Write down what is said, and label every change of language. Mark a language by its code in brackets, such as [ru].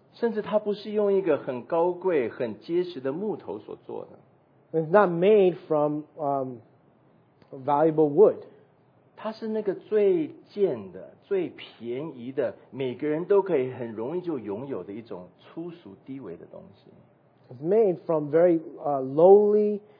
[zh] 甚至它不是用一个很高贵很结实的木头所做的。 [en] It's not made from valuable wood. [zh] 它是那个最贱的。最便宜的，每个人都可以很容易就拥有的一种粗俗低微的东西。 [en] It's made from very lowly,